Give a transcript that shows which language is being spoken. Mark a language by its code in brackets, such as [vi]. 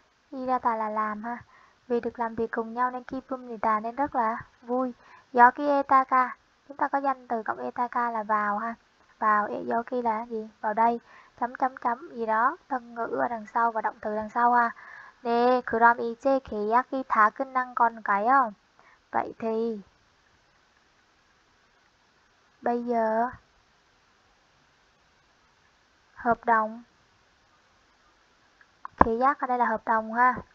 [vi] 일하다 là làm ha. Vì được làm việc cùng nhau nên 기쁩니다 nên rất là vui. [ko] 여기 에다가, [vi] chúng ta có danh từ cộng 에다가 là vào ha. Vào 여기 là gì? Vào đây. Chấm chấm chấm gì đó, thân ngữ ở đằng sau và động từ đằng sau ha. [ko] 네, 그럼 이제 계약이 다 끝난 건가요? [vi] Vậy thì bây giờ hợp đồng, khế giác ở đây là hợp đồng ha.